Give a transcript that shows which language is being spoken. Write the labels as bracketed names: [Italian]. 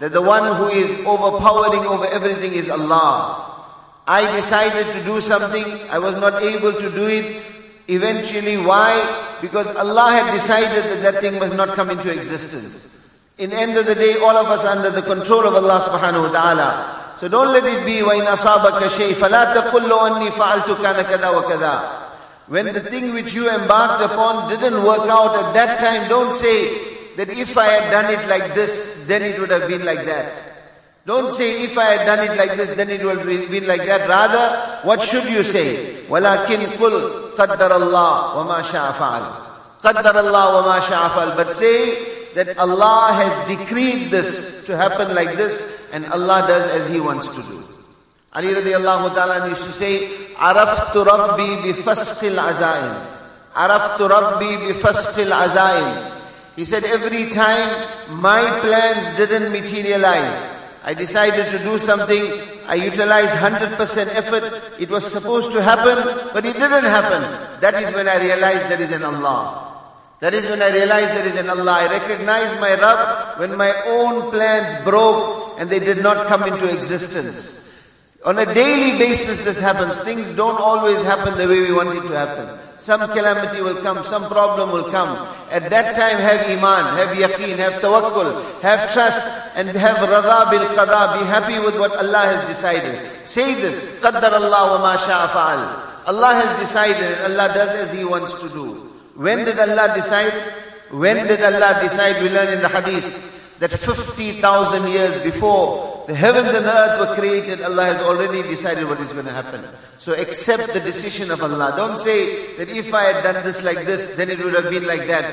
[English] That the one who is overpowering over everything is Allah. I decided to do something, I was not able to do it. Eventually, why? Because Allah had decided that that thing must not come into existence. In the end of the day, all of us are under the control of Allah subhanahu wa ta'ala. So don't let it be, [Arabic] وَإِنْ أَصَابَكَ شَيْءٍ فَلَا تَقُلْ لَوْ أَنِّي فَعَلْتُ كَانَ كَذَا وَكَذَا. [English] When the thing which you embarked upon didn't work out at that time, don't say that if I had done it like this, then it would have been like that. Don't say if I had done it like this, then it would have been like that. Rather, what should you say? [Arabic] وَلَكِنْ قُلْ قَدَّرَ اللَّهُ وَمَا شَاءَ فَعَلْ. قَدَّرَ اللَّهُ وَمَا شَاءَ فَعَلْ. [English] But say that Allah has decreed this to happen like this, and Allah does as He wants to do. Ali radiallahu ta'ala used to say, [Arabic] عَرَفْتُ رَبِّي بِفَسْقِ الْعَزَائِنِ عَرَفْتُ رَبِّي بِفَسْقِ الْعَزَائِنِ. [English] He said, every time my plans didn't materialize, I decided to do something, I utilized 100% effort, it was supposed to happen, but it didn't happen. That is when I realized there is an Allah. That is when I realized there is an Allah. I recognize my Rabb when my own plans broke and they did not come into existence. On a daily basis this happens. Things don't always happen the way we want it to happen. Some calamity will come, some problem will come. At that time have iman, have yaqeen, have tawakkul, have trust and have radha bil qada. Be happy with what Allah has decided. Say this, [Arabic] قَدَّرَ اللَّهُ وَمَا شَاءَ فَعَلْ. [English] Allah has decided and Allah does as He wants to do. When did Allah decide? When did Allah decide? We learn in the hadith that 50,000 years before the heavens and earth were created, Allah has already decided what is going to happen. So accept the decision of Allah. Don't say that if I had done this like this, then it would have been like that.